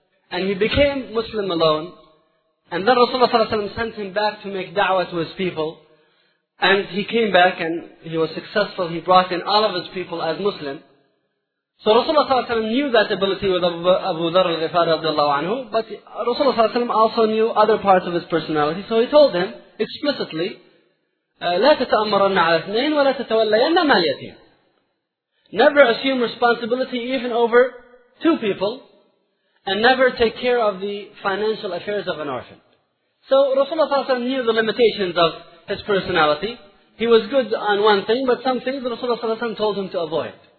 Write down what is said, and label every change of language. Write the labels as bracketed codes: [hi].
[en] And he became Muslim alone. And then Rasulullah ﷺ sent him back to make da'wah to his people. And he came back and he was successful. He brought in all of his people as Muslim. So Rasulullah ﷺ knew that ability with Abu Dharr al-Ghifari radiallahu anhu, but Rasulullah ﷺ also knew other parts of his personality. So he told him explicitly, [ar] لا تتأمرن على اثنين ولا تتولين مال يتيم. [en] Never assume responsibility even over two people, and never take care of the financial affairs of an orphan. So Rasulullah ﷺ knew the limitations of his personality. He was good on one thing, but some things Rasulullah ﷺ told him to avoid.